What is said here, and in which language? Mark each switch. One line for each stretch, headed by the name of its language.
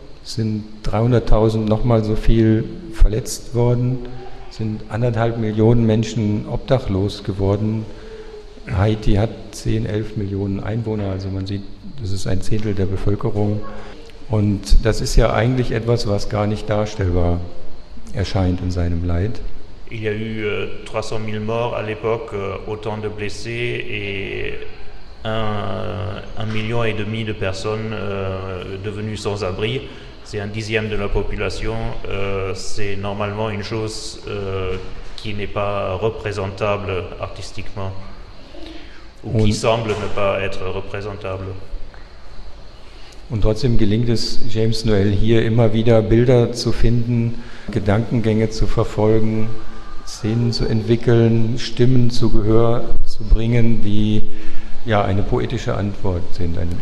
German: Es sind 300.000 nochmal so viel verletzt worden, sind 1,5 Millionen Menschen obdachlos geworden. Haiti hat 10, 11 Millionen Einwohner, also man sieht, das ist ein Zehntel der Bevölkerung. Und das ist ja eigentlich etwas, was gar nicht darstellbar erscheint in seinem Leid.
French: Il y a eu 300.000 morts à l'époque, autant de blessés et un million et demi de personnes devenues sans abri. C'est un dixième de la population, c'est normalement une chose qui n'est pas représentable artistiquement ou qui semble ne pas être représentable.
German: Und trotzdem gelingt es James Noel hier immer wieder Bilder zu finden, Gedankengänge zu verfolgen, Szenen zu entwickeln, Stimmen zu Gehör zu bringen, die ja eine poetische Antwort sind.